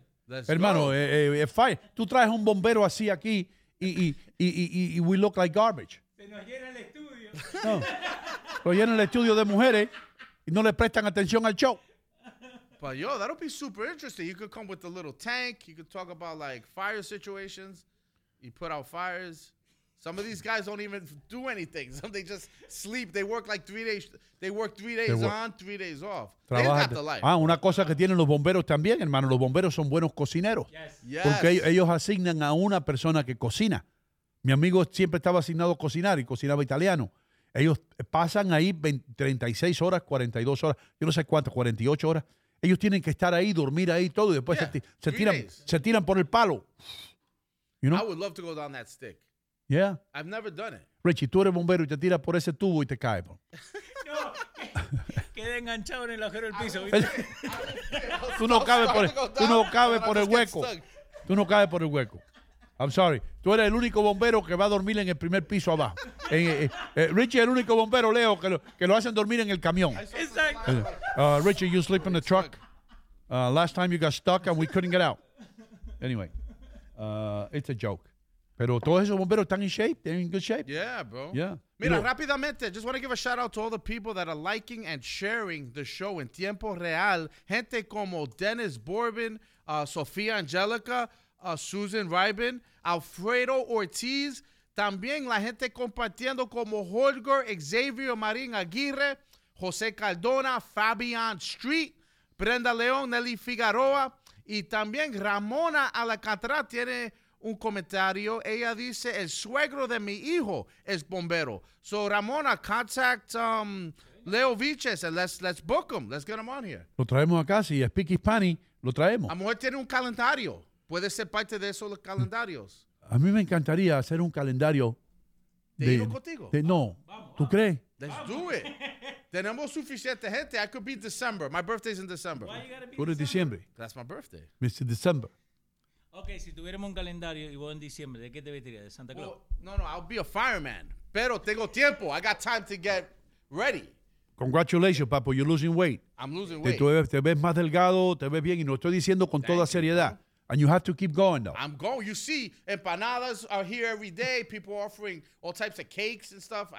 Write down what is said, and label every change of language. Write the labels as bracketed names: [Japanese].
[English] Let's [Spanish] hermano, tú traes un bombero así aquí y [English] we look like garbage. [Spanish] Se nos llena el estudio. No. Lo llena el estudio de mujeres y no le prestan atención al show. [English] But yo, that'll be super interesting. You could come with a little tank. You could talk about like fire situations. You put out fires. Some of these guys don't even do anything. Some they just sleep. They work like 3 days. They work 3 days on, 3 days off. [Spanish] Trabaja. [English] They got the life. [Spanish] Ah, una cosa que tienen los bomberos también, hermano. Los bomberos son buenos cocineros. [English] Yes. [Spanish] Porque [English] yes. [Spanish] Ellos asignan a una persona que cocina. Mi amigo siempre estaba asignado a cocinar y cocinaba italiano. Ellos pasan ahí 36 horas, 42 horas, yo no sé cuánto, 48 horas. Ellos tienen que estar ahí, dormir ahí todo y después se tiran por el palo. [English] You know? I would love to go down that stick. Yeah. I've never done it. [Spanish] Richie, tú eres bombero y te tiras por ese tubo y te caes. No, quedé enganchado en el agujero del piso. Tú no cabes por el hueco. Tú no cabes por el hueco. [English] I'm sorry. [Spanish] Tú eres el único bombero que va a dormir en el primer piso abajo. Richie es el único bombero, Leo, que lo hacen dormir en el camión. Exacto. [English] Richie, you sleep in the truck. Last time you got stuck and we couldn't get out. Anyway, it's a joke. [Spanish] Pero todos esos bomberos están [English] in shape. They're in good shape. Yeah, bro. Yeah. [Spanish] Mira, rápidamente, [English] just want to give a shout out to all the people that are liking and sharing the show in [Spanish] tiempo real. Gente como Dennis Bourbon, Sofía Angélica, Susan Ryben, Alfredo Ortiz. También la gente compartiendo como Holger, Xavier Marín Aguirre, José Cardona, Fabian Street, Brenda León, Nelly Figueroa, y también Ramona Alacatraz tiene... un comentario. Ella dice, el suegro de mi hijo es bombero. [English] So, Ramona, contact Leo Viches and let's book him. Let's get him on here. [Spanish] Lo traemos acá. Si [English] speak Hispanic, [Spanish] lo traemos. A lo mejor tiene un calendario. Puede ser parte de esos los calendarios. A mí me encantaría hacer un calendario. ¿De ir contigo? No. Vamos. ¿Tú crees? [English] Let's do it. [Spanish] Tenemos suficiente gente. [English] I could be December. My birthday is in December. Why you gotta be December? That's my birthday. Mr. December. [Spanish] Ok, si tuviéramos un calendario y vos en diciembre, ¿de qué te vestirías? ¿De Santa Claus? [English] Well, no, I'll be a fireman. [Spanish] Pero tengo tiempo. [English] I got time to get ready. Congratulations, papo. You're losing weight. I'm losing weight. [Spanish] Te ves más delgado, te ves bien. Y no estoy diciendo con toda seriedad. [English] And you have to keep going, though. I'm going. You see, empanadas are here every day. People are offering all types of cakes and stuff.